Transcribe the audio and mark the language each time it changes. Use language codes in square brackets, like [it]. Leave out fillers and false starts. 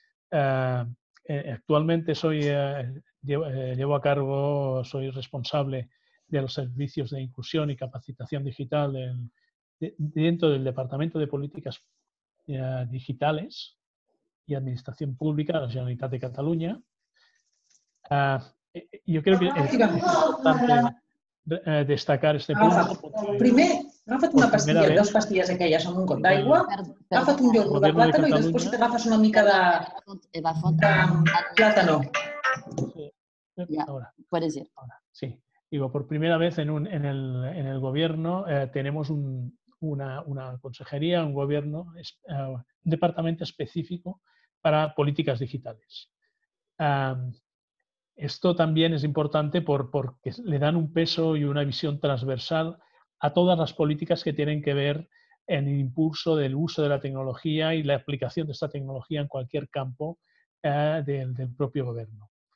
[es] Actualmente soy responsable de los servicios de inclusión y capacitación digital dentro del Departamento de Políticas Digitales y Administración Pública de la Generalitat de Cataluña. Yo creo que es importante destacar este punto. [ca] Agafa't una pastilla, dos pastillas aquelles amb un got d'aigua, agafa't un iogurt de plàtano i després et agafes una mica de plàtano. [es] Ahora. Puedes ir. Sí. Digo, por primera vez en el gobierno tenemos una consejería, un gobierno, un departamento específico para políticas digitales. Esto también es importante porque le dan un peso y una visión transversal a todas las políticas que tienen que ver en el impulso del uso de la tecnología y la aplicación de esta tecnología en cualquier campo del propio gobierno.